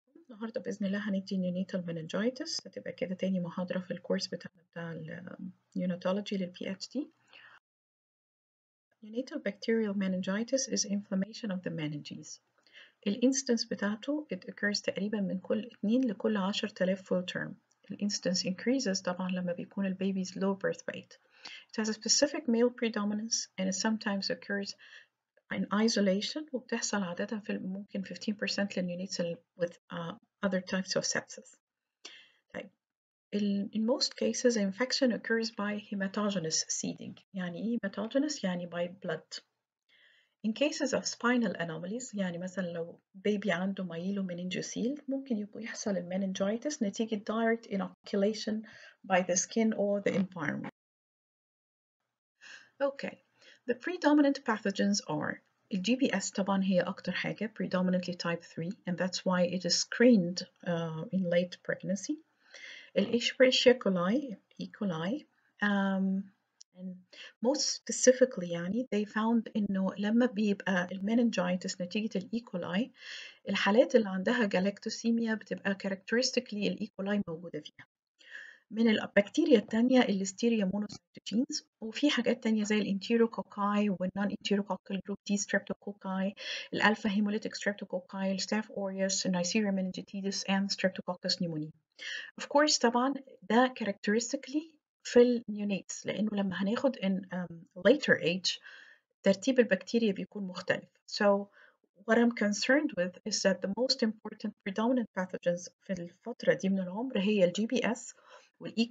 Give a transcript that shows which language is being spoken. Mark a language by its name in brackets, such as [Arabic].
[Arabic] النهاردة بإذن الله هندي نيونيتال مينينجايتس، هتبقى كده تاني محاضرة في الكورس بتاعنا بتاع النيونيتولوجي للبي اتش دي. [English] Neonatal bacterial meningitis is inflammation of the meninges. [Arabic] الانستنس بتاعته [English] it occurs [Arabic] تقريبا من كل 2 لكل 10,000 [English] full term. [Arabic] الانستنس [English] increases [Arabic] طبعا لما بيكون البيبيز [English] low birth weight. It has a specific male predominance and it sometimes occurs in isolation [Arabic] وبتحصل عادة في ممكن 15% للنيونيتس [English] with other types of sepsis. [Arabic] طيب. [English] In most cases, infection occurs by hematogenous seeding. [Arabic] يعني إيه hematogenous؟ يعني [English] by blood. In cases of spinal anomalies, [Arabic] يعني مثلا لو بيبي عنده ميلو مننجوسيل, ممكن يحصل المننجيتس نتيجة [English] direct inoculation by the skin or the environment. Okay. The predominant pathogens are GBS [Arabic] طبعاً هي أكتر حاجة [English] predominantly type 3 and that's why it is screened in late pregnancy. Escherichia coli, E. coli, and most specifically [Arabic] يعني [English] they found [Arabic] إنه لما بيبقى المننجيتس نتيجة [English] E. [Arabic] coli الحالات اللي عندها galactosemia بتبقى [English] characteristically [Arabic] E. coli موجودة فيها. من البكتيريا الثانية الليستيريا مونوسيتوجينز وفي حاجات تانية زي الانتيروكوكاي والنون انتيروكوكال جروب دي ستريبتوكوكاي الالفا هيموليتك ستريبتوكوكاي الستاف اوريوس النيسيريا مينينجيتيدس اند ستريبتوكوكس نيمونيا. [English] of course [Arabic] طبعا ده كاركترستيكلي في النيونيتس لانه لما هناخد [English] in later age [Arabic] ترتيب البكتيريا بيكون مختلف. [English] So what I'm concerned with is that the most important predominant pathogens [Arabic] في الفترة دي من العمر هي [English] GBS والE.